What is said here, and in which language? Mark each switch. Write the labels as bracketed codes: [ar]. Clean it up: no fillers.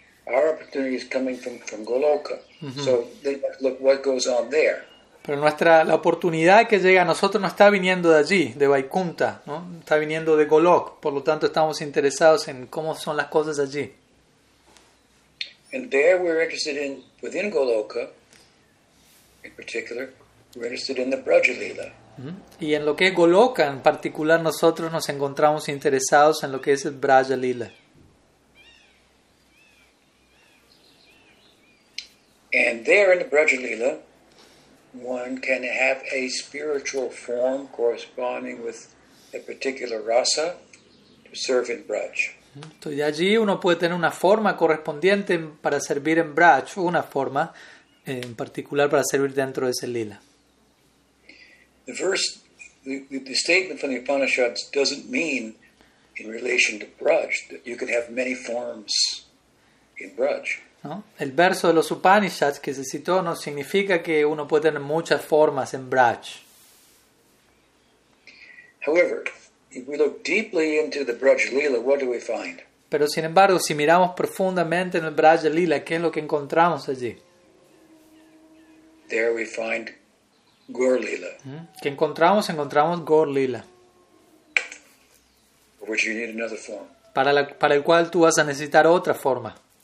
[en] Our opportunity is coming from Goloka. Mm-hmm. So then look what goes on there. [es] Pero la oportunidad que llega a nosotros no está viniendo de allí, de Vaikuntha, ¿no? Está viniendo de Golok. Por lo tanto, estamos interesados en cómo son las cosas allí. [en] And there we're interested in, within Goloka, in particular, we're interested in the Braja Lila. Mm-hmm. [es] Y en lo que es Goloka, en particular, nosotros nos encontramos interesados en lo que es el Braja Lila. [en] And there in the Braja Lila, one can have a spiritual form corresponding with a particular rasa to serve in Braj. [es] Entonces allí uno puede tener una forma correspondiente para servir en Braj, una forma en particular para servir dentro de ese lila. [en] The verse, the statement from the Upanishads doesn't mean in relation to Braj that you can have many forms in Braj. [es] ¿No? El verso de los Upanishads que se citó no significa que uno puede tener muchas formas en Braj. [en] However, if we look deeply into the Braj Lila, what do we find? [es] Pero sin embargo, si miramos profundamente en el Braj Lila, ¿qué es lo que encontramos allí? [en] There we find Gaur Lila. [es] ¿Qué encontramos? Encontramos Gaur Lila. [en] For which you need another form. [es] Para el cual tú vas a necesitar otra forma.